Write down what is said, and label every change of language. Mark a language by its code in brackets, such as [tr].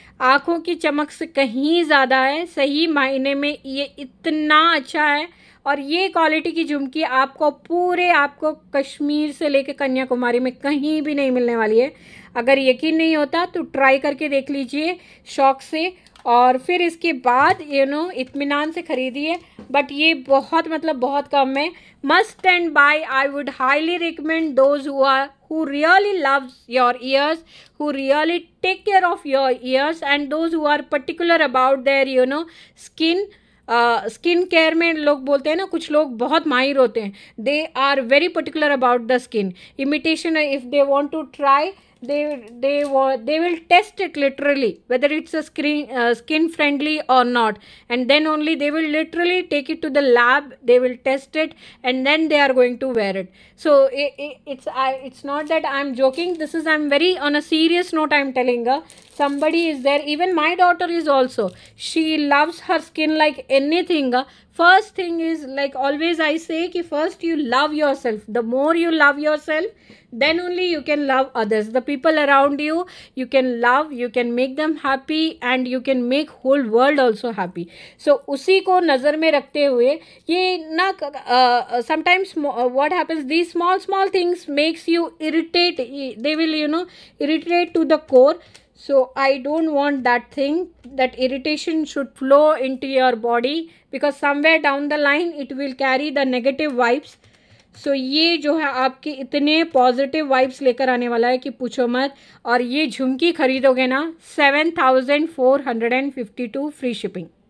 [hi] आँखों की चमक से कहीं ज़्यादा है सही मायने में ये इतना अच्छा है और ये क्वालिटी की झुमकी आपको पूरे आपको कश्मीर से लेके कन्याकुमारी में कहीं भी नहीं मिलने वाली है अगर यकीन नहीं होता तो ट्राई करके देख लीजिए शौक से और फिर इसके बाद यू नो इत्मीनान से ख़रीदी है, बट ये बहुत मतलब बहुत कम है. [en] Must and buy, I would highly recommend those who really loves your ears, who really take care of your ears and those who are particular about their you know skin. [hi] Skin care में लोग बोलते हैं ना, कुछ लोग बहुत माहिर होते हैं, [en] They are very particular about the skin. Imitation if they want to try, they will test it literally whether it's a skin friendly or not, and then only they will literally take it to the lab, they will test it, and then they are going to wear it. So it's not that I'm joking, this is I'm very on a serious note I'm telling her. Somebody is there, even my daughter is also, she loves her skin like anything. First thing is, like always I say, ki first you love yourself. The more you love yourself, then only you can love others. The people around you, you can love, you can make them happy, and you can make whole world also happy. So, [hi] usi ko nazar mein rakhte hue, ye na, [en] sometimes what happens, these small things makes you irritate. They will, you know, irritate to the core. So, I don't want that thing, that irritation should flow into your body, because somewhere down the line, it will carry the negative vibes. [hi] सो ये जो है आपके इतने positive vibes लेकर आने वाला है कि पूछो मत. और ये झुमकी ख़रीदोगे ना 7,452 फ्री शिपिंग.